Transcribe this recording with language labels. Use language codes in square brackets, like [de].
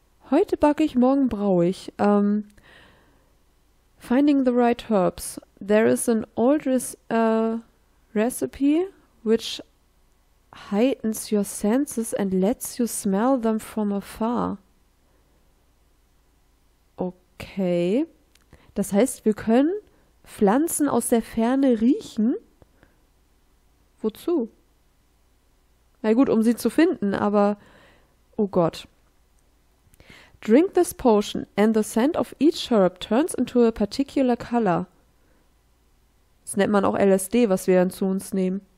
[de] Heute backe ich, morgen brauche ich. [en] Finding the right herbs. There is an old recipe which heightens your senses and lets you smell them from afar. Okay. [de] Das heißt, wir können Pflanzen aus der Ferne riechen. Wozu? Na gut, um sie zu finden, aber... Oh Gott. [en] Drink this potion and the scent of each herb turns into a particular color. [de] Das nennt man auch LSD, was wir dann zu uns nehmen.